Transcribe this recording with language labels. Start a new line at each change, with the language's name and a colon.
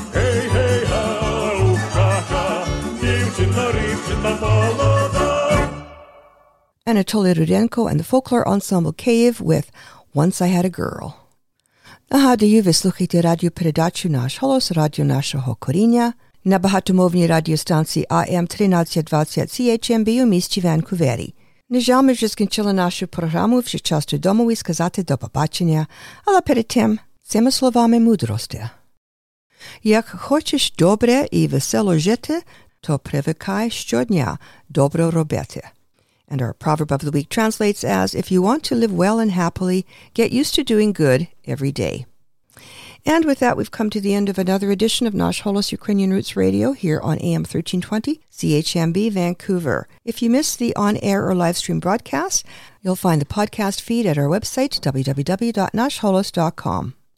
Ukrainian: Гей, гей, гау, ха-ха, дівчинка, рівчинка молода.
English: Anatoly Rudenko and the Folklore Ensemble Cave with Once I Had a Girl.
Ukrainian: Нагадую, ви слухаєте радіопередачу «Наш голос», радіо нашого коріння, на багатомовній радіостанції АМ 1320 CHMB у місті Ванкувері. На жаль, ми вже скінчили нашу програму, вже час додому і сказати до побачення, але перед тим, цими словами мудрості. Як хочеш добре і весело жити, то привикай щодня добре робити.
English: And our proverb of the week translates as, if you want to live well and happily, get used to doing good every day. And with that, we've come to the end of another edition of Nash Holos Ukrainian Roots Radio here on AM 1320, CHMB Vancouver. If you missed the on-air or live stream broadcast, you'll find the podcast feed at our website, www.nashholos.com.